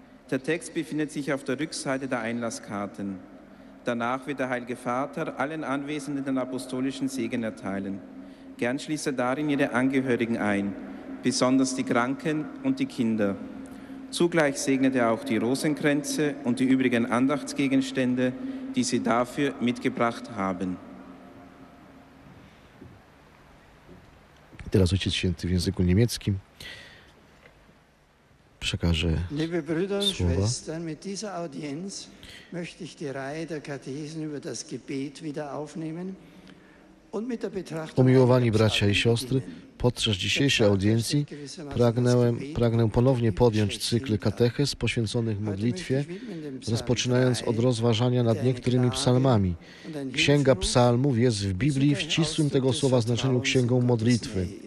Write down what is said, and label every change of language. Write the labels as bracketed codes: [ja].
[de] Der Text befindet sich auf der Rückseite der Einlasskarten. Danach wird der Heilige Vater allen Anwesenden den apostolischen Segen erteilen. Gern schließe darin ihre Angehörigen ein, besonders die Kranken und die Kinder. Zugleich segnet er auch die Rosenkränze und die übrigen Andachtsgegenstände, die sie dafür mitgebracht haben. [pl] Teraz Ojciec Święty w języku niemieckim przekaże [de] Liebe Brüder und Schwestern, mit dieser Audienz möchte ich die Reihe der Katechesen über das Gebet wieder aufnehmen. [pl] Umiłowani bracia i siostry, podczas dzisiejszej audiencji pragnę ponownie podjąć cykl kateches poświęconych modlitwie, rozpoczynając od rozważania nad niektórymi psalmami. Księga psalmów jest w Biblii w ścisłym tego słowa znaczeniu księgą modlitwy.